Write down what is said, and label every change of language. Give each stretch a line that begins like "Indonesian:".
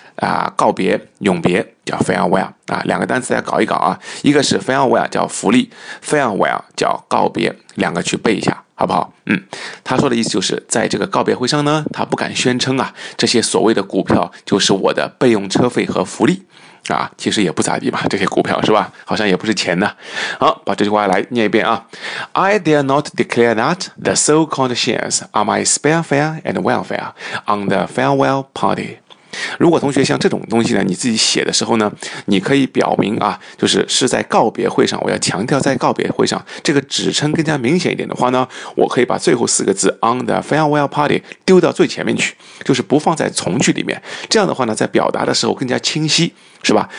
Chinese: 啊，告别、永别叫 farewell 啊，两个单词来搞一搞啊，一个是 farewell 叫福利 ，farewell 叫告别，两个去背一下好不好？嗯，他说的意思就是在这个告别会上呢，他不敢宣称啊，这些所谓的股票就是我的备用车费和福利啊，其实也不咋地吧，这些股票是吧？好像也不是钱呢。好，把这句话来念一遍啊 ，
English: I dare not declare that the so-called shares are my spare fare and welfare on the farewell party.
Chinese: 如果同学像这种东西呢，你自己写的时候呢，你可以表明啊，就是是在告别会上，我要强调在告别会上，这个指称更加明显一点的话呢，我可以把最后四个字 on the farewell party 丢到最前面去，就是不放在从句里面，这样的话呢，在表达的时候更加清晰，是吧？